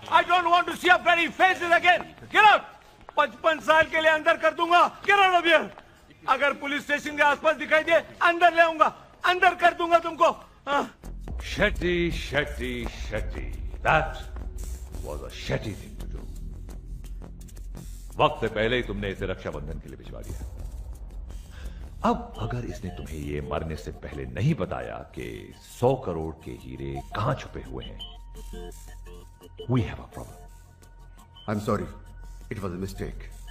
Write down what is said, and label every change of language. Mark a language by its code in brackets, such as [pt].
[en] I don't want to see your very faces again. Get up! [hi] 55 साल के लिए अंदर कर दूंगा। [en] Get out of here! [hi] अगर पुलिस स्टेशन के आसपास दिखाई दे, अंदर ले आऊंगा, अंदर कर दूंगा तुमको। [en] Shetty. That was a shetty thing to do. [hi] वक्त से पहले ही तुमने इसे रक्षाबंधन के लिए भिजवा दिया। अब अगर इसने तुम्हें ये मरने से पहले नहीं बताया कि 100 करोड़ के हीरे कहां छुपे हुए हैं, [en] We have a problem. I am sorry, it was a mistake.